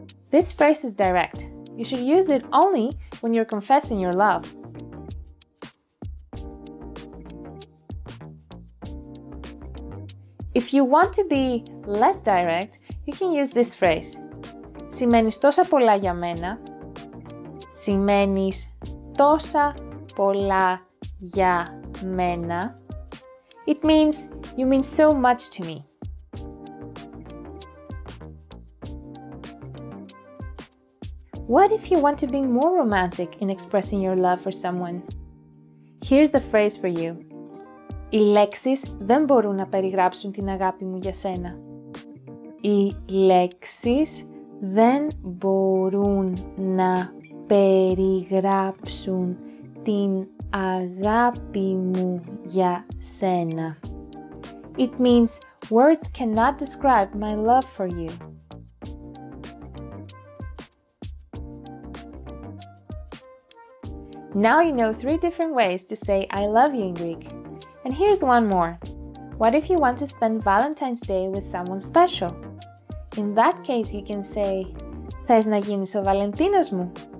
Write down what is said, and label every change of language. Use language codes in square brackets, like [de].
[en] This phrase is direct. You should use it only when you're confessing your love. If you want to be less direct, you can use this phrase. [el] Σημαίνεις τόσα πολλά για μένα. Σημαίνεις τόσα πολλά για μένα. [en] It means you mean so much to me. What if you want to be more romantic in expressing your love for someone? Here's the phrase for you. [el] Οι λέξεις δεν μπορούν να περιγράψουν την αγάπη μου για σένα. Οι λέξεις δεν μπορούν να περιγράψουν την αγάπη μου για σένα. [en] It means words cannot describe my love for you. Now you know three different ways to say I love you in Greek. And here's one more. What if you want to spend Valentine's Day with someone special? In that case, you can say [el] Θες να γίνεις ο Βαλεντίνος μου.